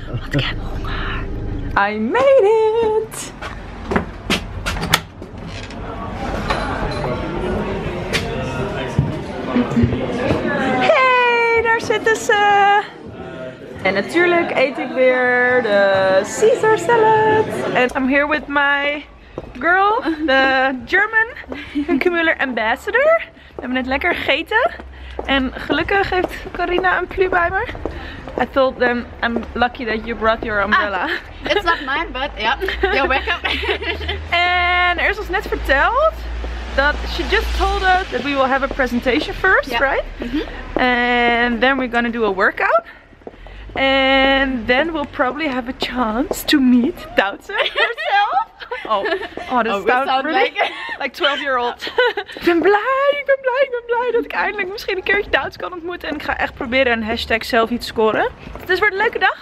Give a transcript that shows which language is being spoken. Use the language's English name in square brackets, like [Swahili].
[Dutch] Want ik heb honger. [English] I made it! [Dutch] Hey, daar zitten ze! En natuurlijk eet ik weer de Caesar salad. [English] And I'm here with my girl, the German Hunke Müller ambassador. We hebben net lekker gegeten. En gelukkig heeft Carina een plu bij me. I told them I'm lucky that you brought your umbrella. It's not mine, but yeah, you're welcome. And [Dutch] er is ons net verteld [English] that she just told us that we will have a presentation first, yeah. Right? Mm-hmm. And then we're gonna do a workout. And then we'll probably have a chance to meet Duitse herself. Oh, this sounds really like 12-year-old. [Dutch] Ik ben blij dat ik eindelijk misschien een keertje Duits kan ontmoeten. En ik ga echt proberen een hashtag selfie te scoren. Het is weer een leuke dag.